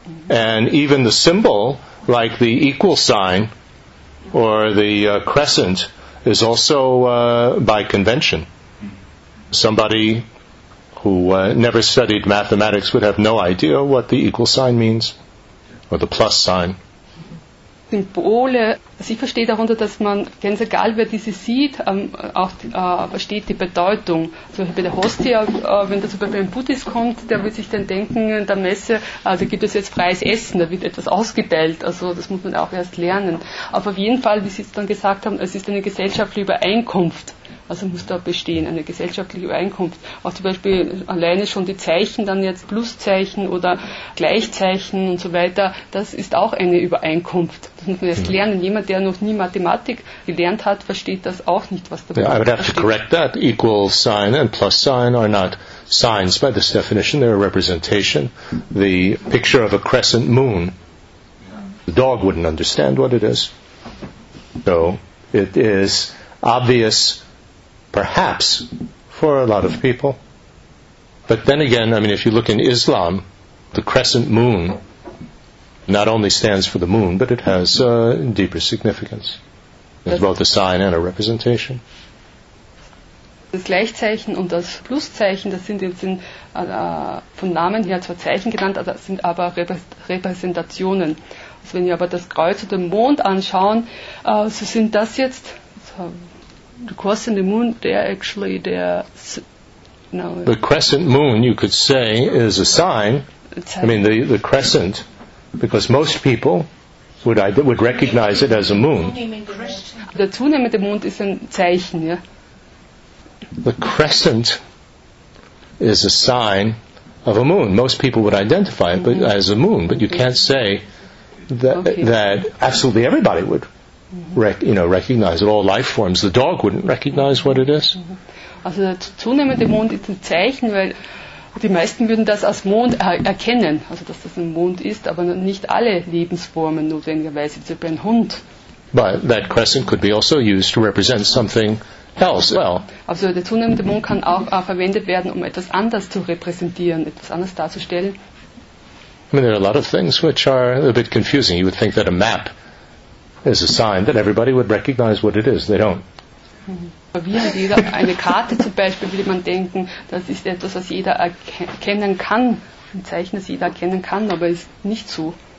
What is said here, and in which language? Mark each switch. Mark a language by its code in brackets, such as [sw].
[en] And even the symbol, like the equal sign or the crescent, is also by convention. Somebody who never studied mathematics would have no idea what the equal sign means, or the plus sign. [de] Symbole, also ich verstehe darunter, dass man, ganz egal wer diese sieht, auch versteht die Bedeutung. Also bei der Hostia, wenn das bei einem Buddhist kommt, der wird sich dann denken, in der Messe, da gibt es jetzt freies Essen, da wird etwas ausgeteilt, also das muss man auch erst lernen. Aber auf jeden Fall, wie Sie es dann gesagt haben, es ist eine gesellschaftliche Übereinkunft. Also muss da bestehen, eine gesellschaftliche Übereinkunft. Auch zum Beispiel alleine schon die Zeichen, dann jetzt Pluszeichen oder Gleichzeichen und so weiter, das ist auch eine Übereinkunft. Das muss man erst lernen. Jemand, der noch nie Mathematik gelernt hat, versteht das auch nicht, was da passiert. [en] Yeah, I would have to correct that. Equal sign and plus sign are not signs by this definition. They're a representation. The picture of a crescent moon. The dog wouldn't understand what it is. So it is obvious. Perhaps for a lot of people. But then again, if you look in Islam, the crescent moon not only stands for the moon, but it has a deeper significance. It's both a sign and a representation. [de] Das Gleichzeichen und das Pluszeichen, das sind jetzt von Namen her zwar Zeichen genannt, aber sind aber Repräsentationen. Also wenn wir aber das Kreuz oder den Mond anschauen, so sind das jetzt... [en] The crescent moon, they're actually there. No. The crescent moon, you could say, is a sign. The crescent, because most people would recognize it as a moon. [de] The zunehmende Mond ist ein Zeichen, ja. [en] The crescent is a sign of a moon. Most people would identify it as a moon, but you can't say that absolutely everybody would. Recognize it, all life forms. The dog wouldn't recognize what it is. [de] Also der zunehmende Mond ist ein Zeichen, weil die meisten würden das als Mond erkennen, also dass das ein Mond ist, aber nicht alle Lebensformen notwendigerweise, zum Beispiel ein Hund. [en] But that crescent could be also used to represent something else. Well. [de] Also der zunehmende Mond kann auch verwendet werden, um etwas anders zu repräsentieren, etwas anders darzustellen. [en] There are a lot of things which are a bit confusing. You would think that a map is a sign that everybody would recognize what it is. They don't. [de] Wie hat jeder eine Karte zum Beispiel, würde man denken, das ist etwas, was jeder erkennen kann, ein Zeichen, das jeder erkennen kann, aber ist nicht so.